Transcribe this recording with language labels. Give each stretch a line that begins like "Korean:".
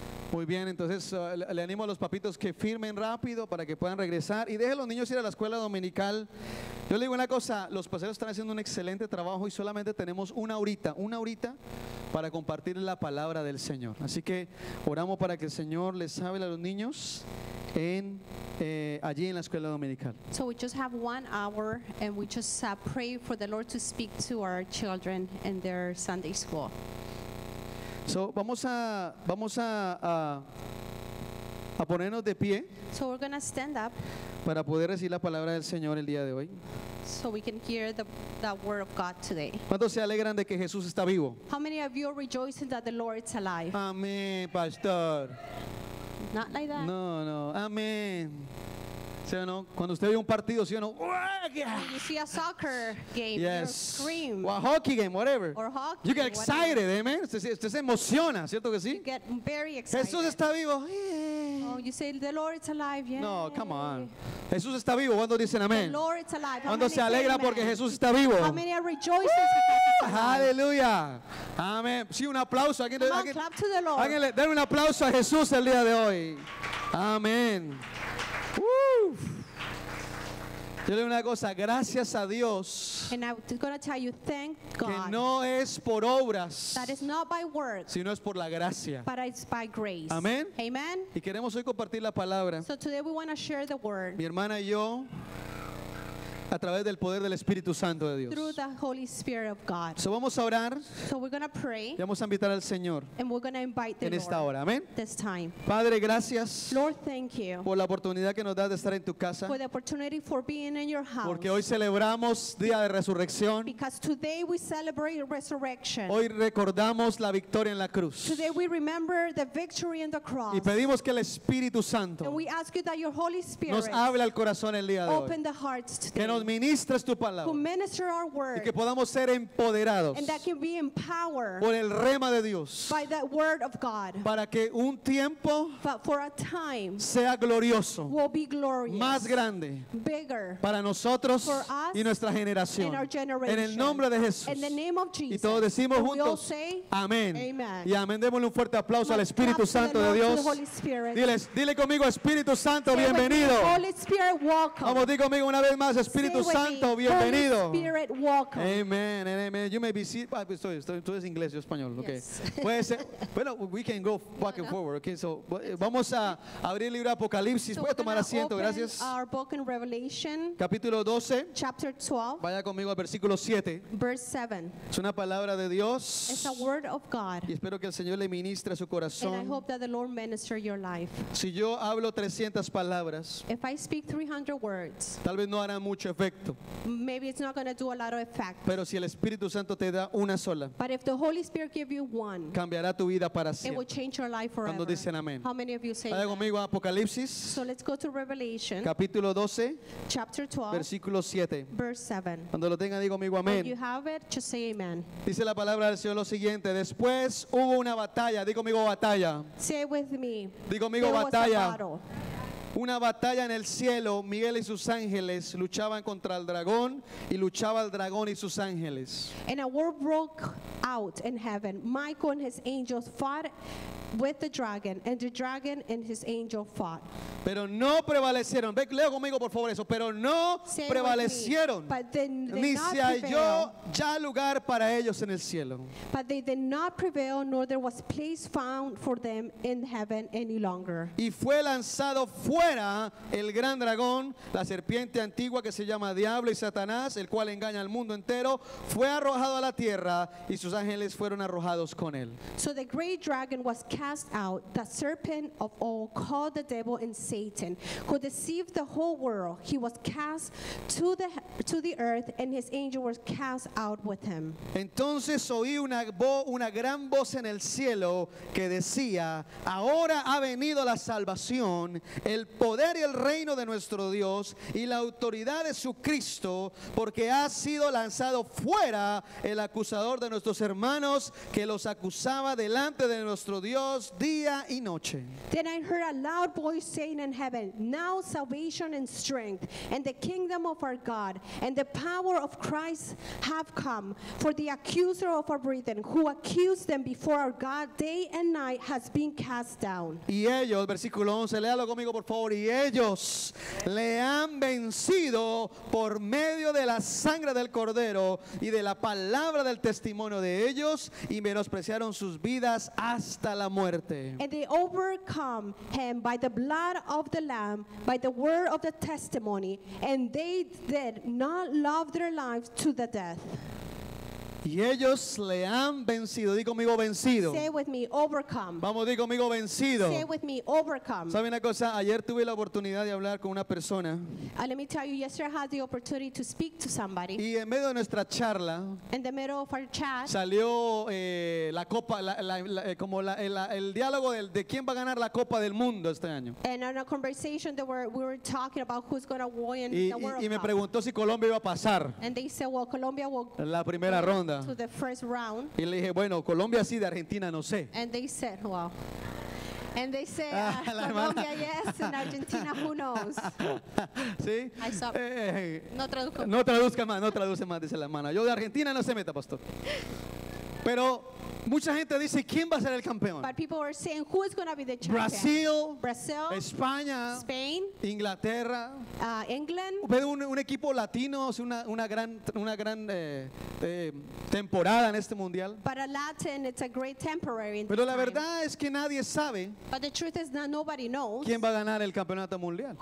Spanish: Muy bien, entonces le animo a los papitos que firmen rápido para que puedan regresar y dejen a los niños ir a la escuela dominical. Yo le digo una cosa, los pastores están haciendo un excelente trabajo y solamente tenemos una horita para compartir la palabra del Señor. Así que oramos para que el Señor les hable a los niños en allí en la escuela dominical.
English: So we just have 1 hour and we just pray for the Lord to speak to our children in their Sunday school.
Spanish: So vamos a ponernos de pie.
English: So we're gonna stand up.
Spanish: Para poder recibir la palabra del Señor el día de hoy.
English: So we can hear the word of God today.
Spanish: ¿Cuántos se alegran de que Jesús está vivo?
English: How many of you are rejoicing that the Lord is alive?
Spanish: Amén, pastor.
English: Not like that.
Spanish: No, amén. ¿Sí o no? Cuando usted ve un partido, ¿sí o no?
English: When you see a soccer game, yes. You scream. Or a hockey game, whatever. Or hockey, you get excited, amen.
Spanish: Usted se emociona, ¿cierto que sí?
English: You get very excited.
Spanish: Jesús está vivo.
English: Oh, you say the Lord is alive, yeah.
Spanish: No,
English: come on.
Spanish: Jesús está vivo. ¿Cuándo dicen amén?
English: The Lord is alive.
Spanish: ¿Cuándo se alegra porque Jesús está vivo?
English: How many are rejoicing?
Spanish: Aleluya. Amén. Sí, un aplauso.
English: Come on, clap to the Lord.
Spanish: Ángel, den un aplauso a Jesús el día de hoy. Amén. Yo le digo una cosa, gracias a Dios.
English: And I'm going to tell you, thank God.
Spanish: Que no es por obras.
English: That is not by works.
Spanish: Sino es por la gracia.
English: But it's by grace.
Spanish: Amén.
English: Amen.
Spanish: Y queremos hoy compartir la palabra.
English: So today we want to share the word.
Spanish: Mi hermana y yo, a través del poder del Espíritu Santo de Dios.
English: Through the Holy Spirit of God.
Spanish: So vamos a orar.
English: So we're going to pray.
Spanish: Y vamos a invitar al Señor.
English: And we're going to invite the en Lord.
Spanish: En esta hora. Amén.
English: This time.
Spanish: Padre, gracias.
English: Lord, thank you.
Spanish: Por la oportunidad que nos das de estar en tu casa.
English: For the opportunity for being in your house.
Spanish: Porque hoy celebramos Día de Resurrección.
English: Because today we celebrate resurrection.
Spanish: Hoy recordamos la victoria en la cruz.
English: Today we remember the victory in the cross.
Spanish: Y pedimos que el Espíritu Santo.
English: And we ask you that your Holy Spirit.
Spanish: Nos hable al corazón el día de hoy.
English: Open the hearts today.
Spanish: Que nos ministres tu palabra
English: word,
Spanish: y que podamos ser empoderados por el rema de Dios
English: God,
Spanish: para que un tiempo
English: time,
Spanish: sea glorioso
English: will be glorious,
Spanish: más grande
English: bigger,
Spanish: para nosotros y nuestra generación en el nombre de Jesús
English: Jesus,
Spanish: y todos decimos juntos
English: say,
Spanish: amén
English: amen.
Spanish: Y amén, démosle un fuerte aplauso al Espíritu Santo de Dios. Dile conmigo, Espíritu Santo,
English: say
Spanish: bienvenido
English: Spirit,
Spanish: vamos, di conmigo una vez más, Espíritu Espíritu Santo, bienvenido.
English: Holy Spirit, welcome. Amen, and amen. You may be seated.
Spanish: Estoy, tú eres inglés, yo español.
English: Okay. Yes.
Spanish: Bueno,
English: we can go back and forward. Okay, so
Spanish: vamos a abrir el libro de Apocalipsis.
English: So
Spanish: puede tomar asiento, gracias.
English: Our book in Revelation,
Spanish: capítulo 12.
English: Chapter 12.
Spanish: Vaya conmigo al versículo 7.
English: Verse 7.
Spanish: Es una palabra de Dios.
English: It's a word of God.
Spanish: Y espero que el Señor le ministre su corazón.
English: And I hope that the Lord minister your life.
Spanish: Si yo hablo 300 palabras,
English: if I speak 300 words,
Spanish: tal vez no hará mucho efecto.
English: Maybe it's not going to do a lot of effect.
Spanish: Pero si el Espíritu Santo te da una sola,
English: but if the Holy Spirit give you one,
Spanish: cambiará tu vida para siempre.
English: It will change your life forever.
Spanish: ¿Cuándo dicen amén?
English: How many of you say?
Spanish: Vaya conmigo a Apocalipsis.
English: So let's go to Revelation.
Spanish: Capítulo 12.
English: Chapter 12.
Spanish: Versículo 7.
English: Verse 7.
Spanish: Cuando lo tenga, digo conmigo amén.
English: When you have it, just say amen.
Spanish: Dice la palabra del Señor lo siguiente: después hubo una batalla. Digo conmigo batalla.
English: Say it with me.
Spanish: Digo conmigo batalla. Una batalla en el cielo, Miguel y sus ángeles luchaban contra el dragón y luchaba el dragón y sus ángeles.
English: And a war broke out in heaven. Michael and his angels fought with the dragon, and the dragon and his angel fought.
Spanish: Pero no prevalecieron. Ve, leo conmigo por favor eso. Pero no prevalecieron.
English: But then they
Spanish: ni se halló ya lugar para ellos en el cielo.
English: But they did not prevail, nor there was place found for them in heaven any longer.
Spanish: Y fue lanzado fuera el gran dragón, la serpiente antigua que se llama Diablo y Satanás, el cual engaña al mundo entero. Fue arrojado a la tierra y sus ángeles fueron arrojados con él.
English: So the great dragon was cast out, the serpent of old, called the devil and Satan, who deceived the whole world. He was cast to the earth, and his angel was cast out with him.
Spanish: Entonces oí una gran voz en el cielo que decía: ahora ha venido la salvación, el poder y el reino de nuestro Dios y la autoridad de su Cristo, porque ha sido lanzado fuera el acusador de nuestros hermanos, que los acusaba delante de nuestro Dios día y noche.
English: Then I heard a loud voice saying in heaven, now salvation and strength and the kingdom of our God and the power of Christ have come, for the accuser of our brethren, who accused them before our God day and night, has been cast down.
Spanish: Y ellos, versículo 11, léalo conmigo por favor. Y ellos le han vencido por medio de la sangre del cordero y de la palabra del testimonio de ellos, y menospreciaron sus vidas hasta la muerte.
English: And they overcome him by the blood of the Lamb, by the word of the testimony, and they did not love their lives to the death.
Spanish: Y ellos le han vencido. Digo conmigo vencido.
English: Say with me, overcome.
Spanish: Vamos, digo conmigo vencido.
English: Say with me, overcome.
Spanish: ¿Sabe una cosa? Ayer tuve la oportunidad de hablar con una persona.
English: Let me tell you, yesterday I had the opportunity to speak to somebody.
Spanish: Y en medio de nuestra charla,
English: in the middle of our chat,
Spanish: salió la copa, el diálogo de quién va a ganar la copa del mundo este año.
English: And in a conversation that we were talking about who's going to win the World Cup.
Spanish: Y me preguntó si Colombia iba a pasar.
English: And they said, well, Colombia will.
Spanish: La primera ronda.
English: To the first round.
Spanish: Y le dije, bueno, Colombia sí, de Argentina no sé.
English: And they said, wow. And they say, Colombia, yes, in Argentina, who knows?
Spanish: ¿Sí?
English: I saw.
Spanish: No traduzco. No traduzca más, no traduce más, dice la hermana. Yo de Argentina no se meta, pastor. Pero mucha gente dice, ¿quién va a ser el campeón?
English: But people were saying, who is going to be the champion?
Spanish: Brasil. España.
English: Spain.
Spanish: Inglaterra.
English: England.
Spanish: Ve un equipo latino, una gran temporada en este mundial.
English: But a Latin, it's a great temporary.
Spanish: Pero la verdad es que nadie sabe.
English: But the truth is that nobody knows.
Spanish: ¿Quién va a ganar el campeonato mundial?